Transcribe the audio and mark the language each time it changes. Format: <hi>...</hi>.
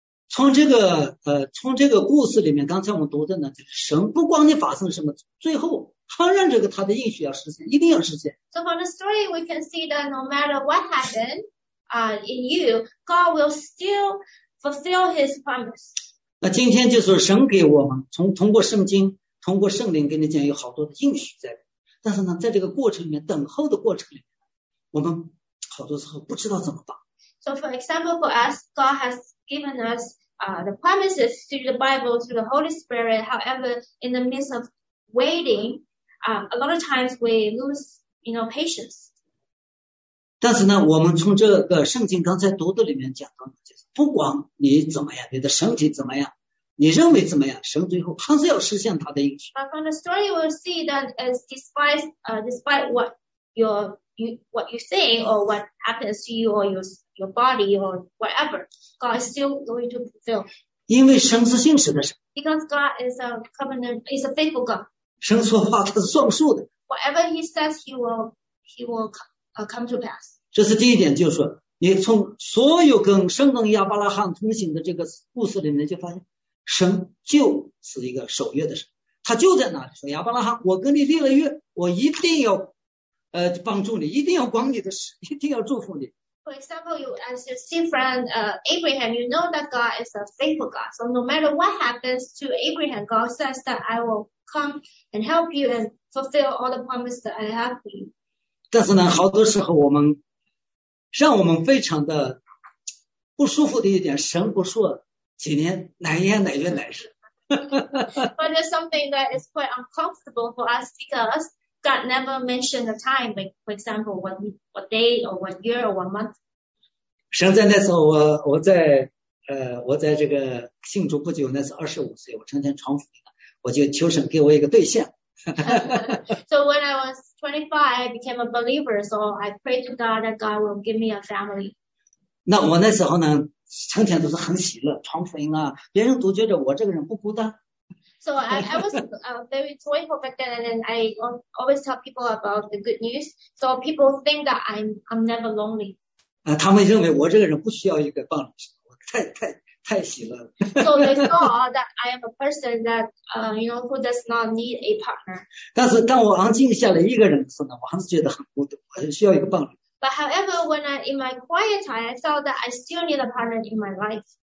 <zh>从这个故事里面，刚才我们读的呢，神不管你发生什么，最后好让这个他的应许要实现，一定要实现。</zh> <en>So from the story, we can see that no matter what happened, in you, God will still fulfill His promise.</en> <zh>那今天就是神给我们通过圣经，通过圣灵跟你讲，有好多的应许在。但是呢，在这个过程里面，等候的过程里面，我们好多时候不知道怎么办。</zh> <en>So for example, for us, God has given us, the promises through the Bible, through the Holy Spirit. However, in the midst of waiting, a lot of times we lose, you know, patience.</en> <zh>但是呢，我们从这个圣经刚才读的里面讲到，就是不管你怎么样，你的身体怎么样，你认为怎么样，神最后还是要实现他的应许。</zh> <en>But from the story, we'll see that it's despite, despite what you say or what happens to you or your body or whatever, God is still going to fulfill.</en> <zh>因为神是信实的神。</zh> <en>Because God is a covenant, is a faithful God.</en> <zh>神说话他是算数的。</zh> <en>Whatever He says, He will come to pass.</en> <zh>这是第一点，就是说你从所有跟神跟亚伯拉罕同行的这个故事里面就发现，神就是一个守约的神，他就在那里说，亚伯拉罕，我跟你立了约，我一定要帮助你，一定要管你的事，一定要祝福你。</zh> <en>For example, you as your same friend, Abraham, you know that God is a faithful God. So no matter what happens to Abraham, God says that I will come and help you and fulfill all the promises that I have for you.</en> <zh>但是呢，好多时候我们让我们非常的不舒服的一点，神不说几年哪年哪月哪日。</zh> <en>But there's something that is quite uncomfortable for us because. God never mentioned the time, like, for example, what day or what year or what month.</en> <zh>神在那时候，我在这个信主不久，那是25岁，我成天传福音，我就求神给我一个对象。</zh> <en>So when I was 25, I became a believer, so I prayed to God that God will give me a family.</en> <zh>那我那时候呢，成天都是很喜乐，传福音啊，别人都觉得我这个人不孤单。</zh> <en>So I was very joyful back then, and then I always tell people about the good news. So people think that I'm never lonely.</en> <zh>他们认为我这个人不需要一个伴侣，我太喜乐了。</zh> <en>So they thought that I am a person that you know who does not need a partner.</en> <zh>但是当我安静下来一个人的时候呢，我还是觉得很孤独，我需要一个伴侣。</zh> <en>But however, when I in my quiet time, I saw that I still need a partner in my life.</en>